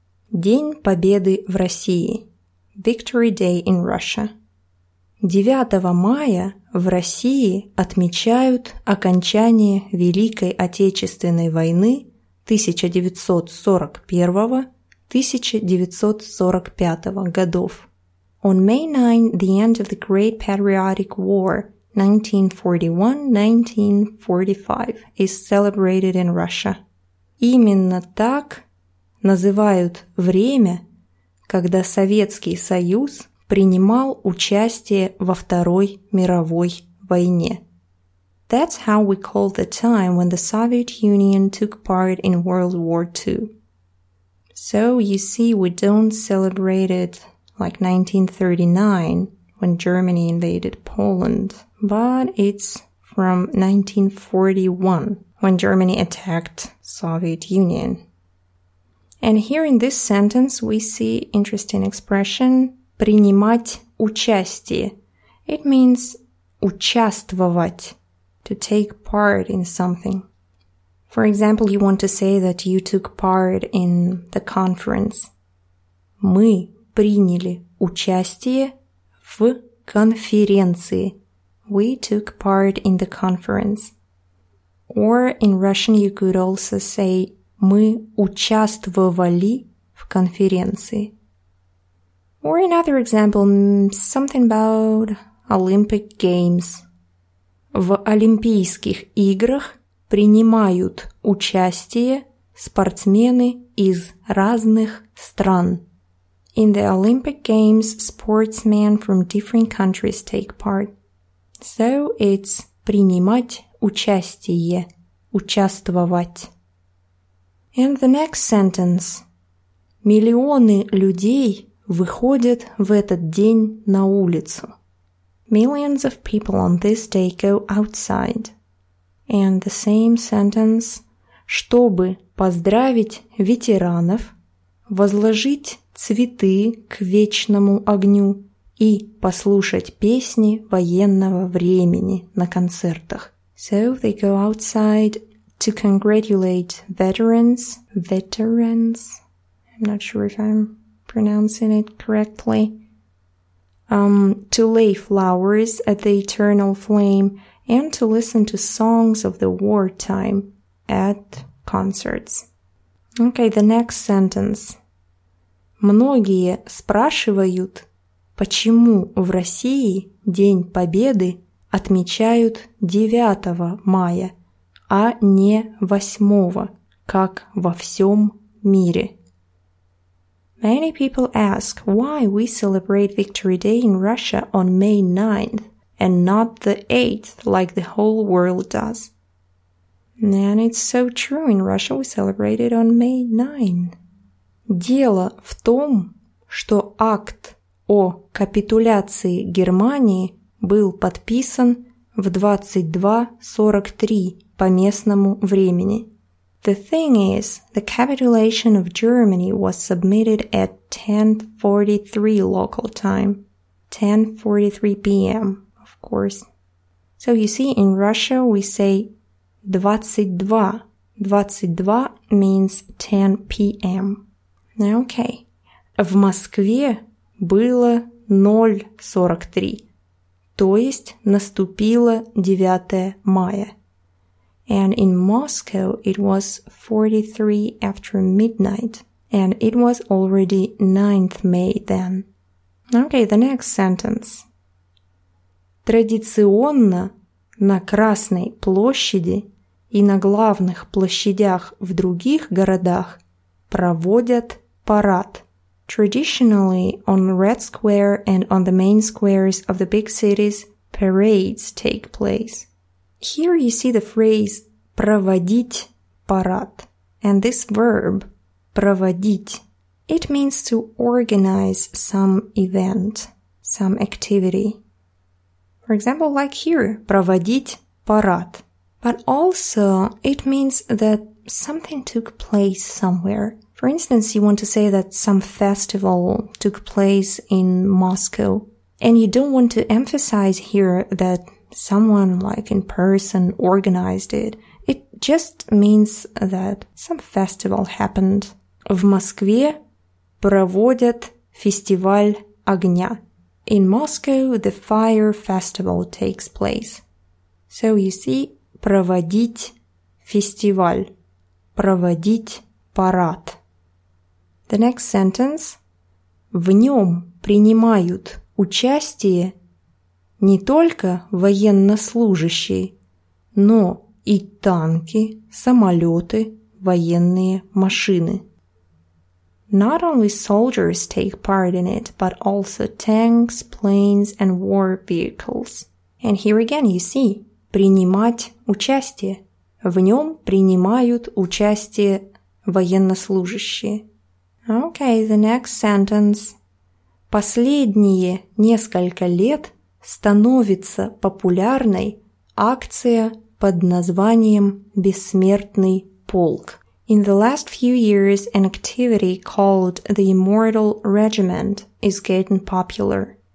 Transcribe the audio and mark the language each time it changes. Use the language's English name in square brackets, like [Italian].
[Russian] День Победы в России. [English] Victory Day in Russia. [Russian] 9 мая в России отмечают окончание Великой Отечественной войны 1941-1945 годов. [English] On May 9, the end of the Great Patriotic War 1941-1945 is celebrated in Russia. [Russian] Именно так называют время, когда Советский Союз принимал участие во Второй мировой войне. [English] That's how we call the time when the Soviet Union took part in World War II. So, you see, we don't celebrate it like 1939, when Germany invaded Poland, but it's from 1941, when Germany attacked Soviet Union. And here in this sentence, we see interesting expression, [Russian] принимать участие. [English] It means участвовать, to take part in something. For example, you want to say that you took part in the conference. [Russian] Мы приняли участие в конференции. [English] We took part in the conference. Or in Russian you could also say [Russian] мы участвовали в конференции. [English] Or another example, something about Olympic Games. [Russian] В Олимпийских играх принимают участие спортсмены из разных стран. [English] In the Olympic Games, sportsmen from different countries take part. So it's [Russian] принимать участие, участвовать. [English] And the next sentence. [Russian] Миллионы людей выходят в этот день на улицу. [English] Millions of people on this day go outside. And the same sentence. [Russian] Чтобы поздравить ветеранов, возложить цветы к вечному огню и послушать песни военного времени на концертах. [English] So they go outside to congratulate veterans. I'm not sure if I'm pronouncing it correctly. To lay flowers at the eternal flame and to listen to songs of the wartime at concerts. Okay, the next sentence. [Russian] Многие спрашивают, почему в России День Победы отмечают 9 мая, а не 8, как во всем мире. [English] Many people ask why we celebrate Victory Day in Russia on May 9th and not the 8th like the whole world does. And it's so true, in Russia we celebrate it on May 9th. [Russian] Дело в том, что акт о капитуляции Германии был подписан в 22:43 по местному времени. [English] The thing is, the capitulation of Germany was submitted at 10:43 local time. 10:43 p.m., of course. So you see, in Russia we say 22. 22 means 10 p.m. Okay. [Russian] В Москве было 0:43, то есть наступило 9 мая. [English] And in Moscow it was 43 after midnight, and it was already 9th May then. Okay, the next sentence. [Russian] Традиционно на Красной площади и на главных площадях в других городах проводят парад. [English] Traditionally, on Red Square and on the main squares of the big cities, parades take place. Here you see the phrase [Russian] проводить парад, [English] and this verb проводить, it means to organize some event, some activity. For example, like here, [Russian] проводить парад. [English] But also, it means that something took place somewhere. For instance, you want to say that some festival took place in Moscow. And you don't want to emphasize here that someone, like in person, organized it. It just means that some festival happened. [Russian] В Москве проводят фестиваль огня. [English] In Moscow, the fire festival takes place. So you see, [Russian] проводить фестиваль, проводить парад. [English] The next sentence. [Russian] В нем принимают участие не только военнослужащие, но и танки, самолеты, военные машины. [English] Not only soldiers take part in it, but also tanks, planes, and war vehicles. And here again you see, [Russian] принимать участие. В нем принимают участие военнослужащие. [English] Okay, the next sentence. [Russian] Последние несколько лет становится популярной акция под названием «Бессмертный полк». [English] In the last few years, an activity called the Immortal Regiment is getting popular.